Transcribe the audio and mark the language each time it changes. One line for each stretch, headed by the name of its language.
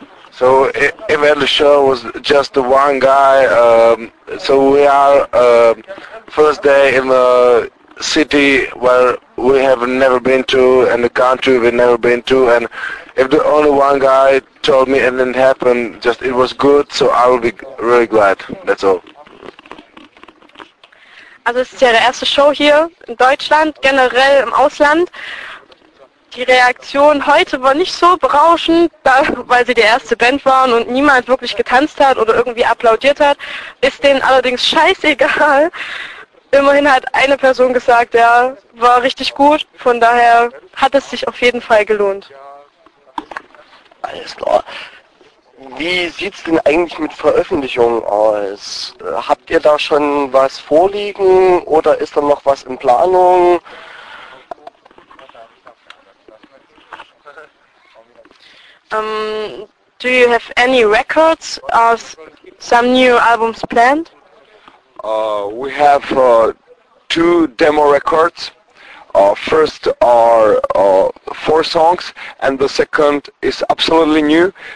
English: So if at the show was just the one guy, so we are first day in the city where we have never been to, and the country we've never been to, and if the only one guy told me and then happened, just it was good, so I will be really glad. That's all.
German: Also es ist ja der erste Show hier in Deutschland, generell im Ausland. Die Reaktion heute war nicht so berauschend, da, weil sie die erste Band waren und niemand wirklich getanzt hat oder irgendwie applaudiert hat. Ist denen allerdings scheißegal. Immerhin hat eine Person gesagt, ja, war richtig gut, von daher hat es sich auf jeden Fall gelohnt. Alles klar. Wie sieht's denn eigentlich mit Veröffentlichungen aus? Habt ihr da schon was vorliegen oder ist da noch was in Planung?
English: Do you have any records of some new albums planned? We have two demo records. First are four songs, and the second is absolutely new.